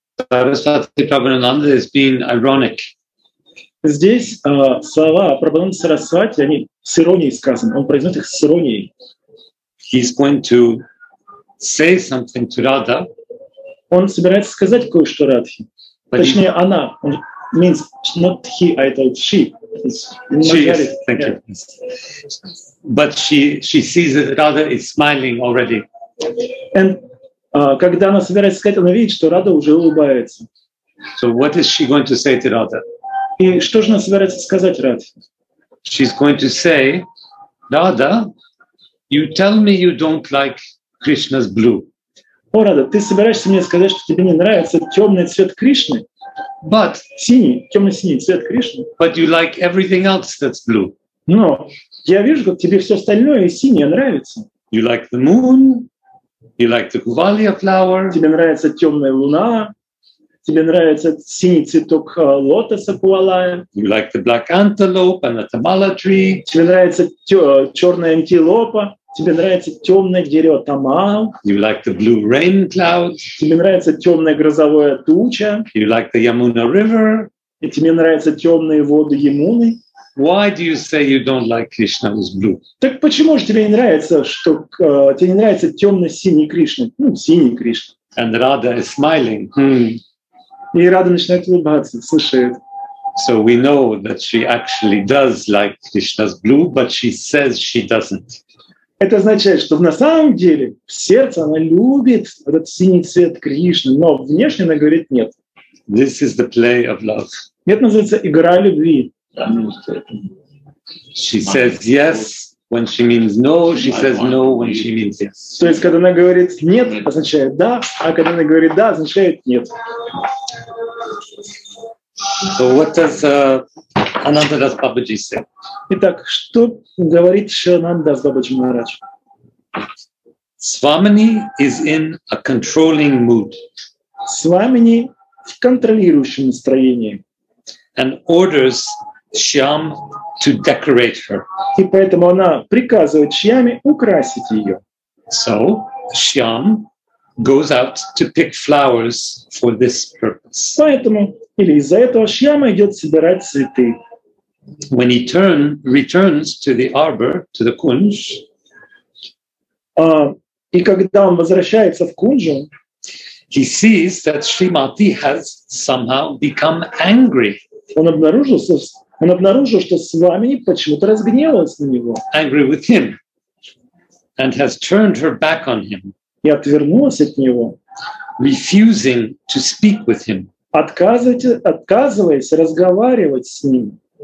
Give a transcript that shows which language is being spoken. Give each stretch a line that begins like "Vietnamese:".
English: Сарасвати Прабхананда has been ironic.
Russian: Здесь слова Прабхананда Сарасвати, они с иронией сказаны. Он произносит их с иронией.
English: He's going to say something to Radha.
Russian: Он собирается сказать кое-что Радхе. Точнее, она. Он
English: means not he, I told she. She is, thank you. But she sees that Radha is smiling already.
Russian: And когда она собирается сказать, она видит, что Радха уже улыбается.
English: So what is she going to say to Radha?
Russian: И что же она собирается сказать Радхе?
English: She's going to say, Radha, You tell me you don't like Krishna's blue.
Russian: О, Рада, ты собираешься мне сказать, что тебе не нравится темный цвет Кришны?
English: But
Russian: синий, темно-синий цвет Кришны.
English: But you like everything else that's blue.
Russian: Но я вижу, как тебе все остальное синее нравится.
English: You like the moon. You like the Kuvalia flower.
Russian: Тебе нравится темная луна. Тебе нравится синий цветок лотоса Куалая.
English: You like the black antelope and the tamala tree.
Russian: Тебе нравится черная антилопа. Тебе нравится темное дерево тамал.
English: You like the blue rain clouds.
Russian: Тебе нравится темная грозовая туча.
English: You like the Yamuna river.
Russian: И тебе нравятся темные воды Ямуны.
English: Why do you say you don't like Krishna's blue?
Russian: Так почему же тебе не нравится, что тебе не нравится темно-синий Кришна? Ну, синий Кришна.
English: And Radha is smiling.
Russian: И Рада начинает улыбаться, слушает.
English: So we know that she actually does like Krishna's blue, but she says she doesn't.
Russian: Это означает, что на самом деле в сердце она любит этот синий цвет Кришны, но внешне она говорит нет.
English: This is the play of love.
Russian: Это называется игра любви.
English: She says yes when she means no. She says no when she means yes.
Russian: То есть, когда она говорит нет, означает да, а когда она говорит да, означает нет.
English: So what does Ananda Das Babaji say?
Russian: Итак, что говорит Ананда Дас Бабаджи Махарадж?
English: Свамини is in a controlling mood.
Russian: Свамини в контролирующем настроении.
English: And orders Shyam to decorate her.
Russian: И поэтому она приказывает Шьяме украсить ее.
English: So Shyam goes out to pick flowers for this purpose.
Russian: Поэтому или из-за этого Шьяма идет собирать цветы.
English: When he returns to the arbor, to the kunj,
Russian: и когда он возвращается в кунжу,
English: he sees that Shrimati has somehow become angry.
Russian: Он обнаружил, что Свамини почему-то разгневалась на него.
English: Angry with him. And has turned her back on him.
Russian: И отвернулась от него.
English: Refusing to speak with him.
Russian: Отказываясь разговаривать с ним.